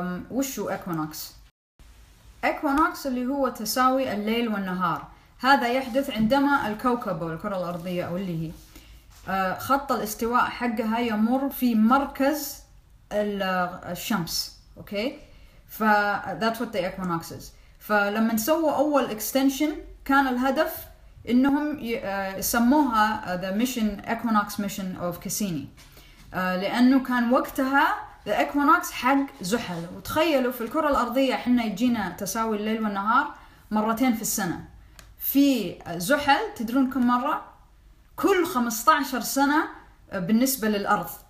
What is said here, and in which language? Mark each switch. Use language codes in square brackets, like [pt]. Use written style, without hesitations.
[ar] وشو إكوانوكس؟ إكوانوكس اللي هو تساوي الليل والنهار. هذا يحدث عندما الكوكب أو الكرة الأرضية أو اللي هي خط الاستواء حقها يمر في مركز الشمس. [en] Okay? ف that's what the equinox is. [ar] فلما نسوي أول extension كان الهدف إنهم يسموها [en] the mission equinox mission of Cassini، [ar] لأنه كان وقتها the equinox حق زحل. وتخيلوا في الكرة الأرضية إحنا يجينا تساوي الليل والنهار مرتين في السنة، في زحل تدرون كم مرة؟ كل 15 سنة بالنسبة للأرض.